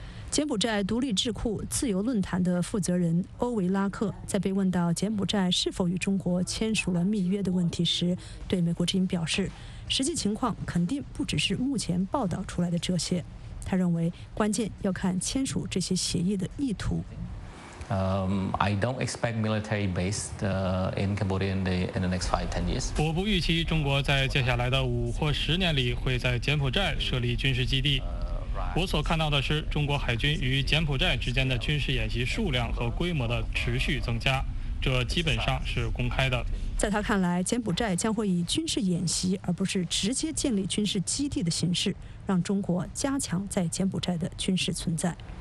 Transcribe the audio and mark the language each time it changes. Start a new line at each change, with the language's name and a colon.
Chinese: 柬埔寨独立智库自由论坛的负责人欧维拉克在被问到柬埔寨是否与中国签署了密约的问题时，对美国之音表示，实际情况肯定不只是目前报道出来的这些。他认为关键要看签署这些协议的意图。
English: I don't expect military base in Cambodia in the next 5-10 years.
Chinese: 我不预期中国在接下来的五或十年里会在柬埔寨设立军事基地。我所看到的是中国海军与柬埔寨之间的军事演习数量和规模的持续增加，这基本上是公开的。在他看来，柬埔寨将会以军事演习而不是直接建立军事基地的形式，让中国加强在柬埔寨的军事存在。